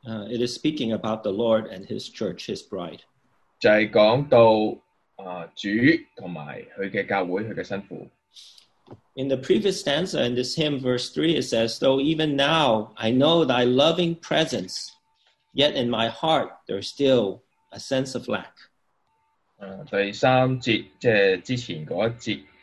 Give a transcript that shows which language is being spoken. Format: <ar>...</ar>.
<en>It is speaking about the Lord and His church, His bride.</en> <zh>就是讲到主和他的教会，他的身父。</zh> <en>In the previous stanza in this hymn, verse 3, it says, Though even now I know thy loving presence, yet in my heart there's still a sense of lack.</en> <zh>第三节，即是之前那一节。</zh>